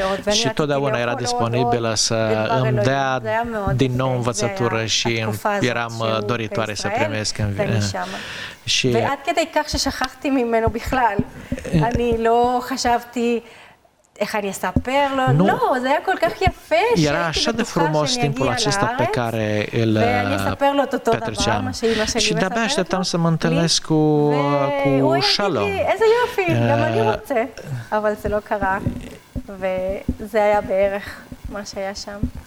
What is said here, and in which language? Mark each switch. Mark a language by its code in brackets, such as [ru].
[ro] Și totdeauna era disponibilă să îmi dea din nou învățătură și eram doritoare să primesc în viață. [he] Și ועד כדי כך ששכחתי ממנו בכלל, אני לא חשבתי איך אני אספר לו, לא, זה היה כל כך יפה, [ro] era așa de frumos timpul acesta pe care îl petreceam. Și de-abia așteptam să mă întâlnesc cu Shalom. [he] איזה יופי, גם אני רוצה, אבל זה לא קרה, וזה היה בערך מה שהיה שם.